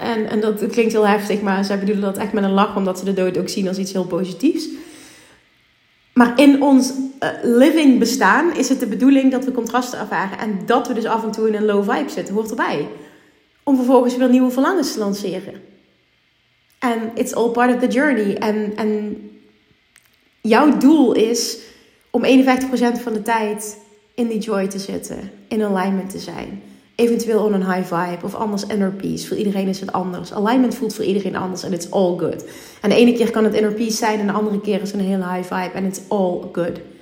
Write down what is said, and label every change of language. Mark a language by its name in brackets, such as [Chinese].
[Dutch] En dat klinkt heel heftig, maar zij bedoelen dat echt met een lach. Omdat ze de dood ook zien als iets heel positiefs. Maar in ons living bestaan is het de bedoeling dat we contrasten ervaren. En dat we dus af en toe in een low vibe zitten. Hoort erbij. Om vervolgens weer nieuwe verlangens te lanceren. [English] En it's all part of the journey. [Dutch] En jouw doel is om 51% van de tijd in die joy te zitten. In alignment te zijn. Eventueel on een high vibe. Of anders inner peace. Voor iedereen is het anders. Alignment voelt voor iedereen anders. En [English] it's all good. [Dutch] En de ene keer kan het inner peace zijn. En de andere keer is het een hele high vibe. En [English] it's all good.